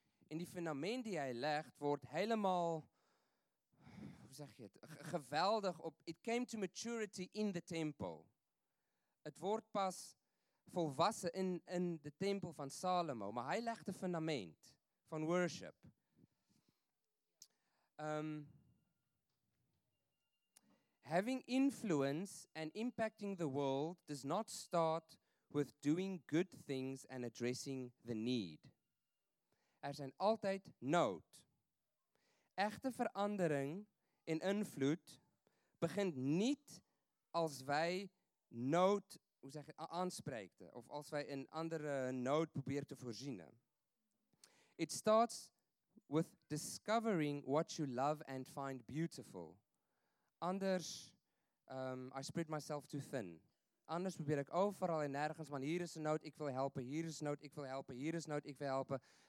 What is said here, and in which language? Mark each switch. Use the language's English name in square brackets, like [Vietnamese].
[Dutch] En die fundament die hij legt, wordt helemaal, hoe zeg je het, geweldig op. [English] It came to maturity in the temple. [Dutch] Het wordt pas volwassen in de tempel van Salomo. Maar hij legt de fundament van worship. [English] Having influence and impacting the world does not start with doing good things and addressing the need. [Dutch] Er zijn altijd nood. Echte verandering en invloed begint niet als wij nood, hoe zeg je, aanspreken of als wij een andere nood proberen te voorzien. [English] It starts with discovering what you love and find beautiful. Anders, I spread myself too thin. [Dutch] Anders probeer ik overal en nergens, maar hier is een nood, ik wil helpen, hier is nood, ik wil helpen, hier is nood, ik wil helpen.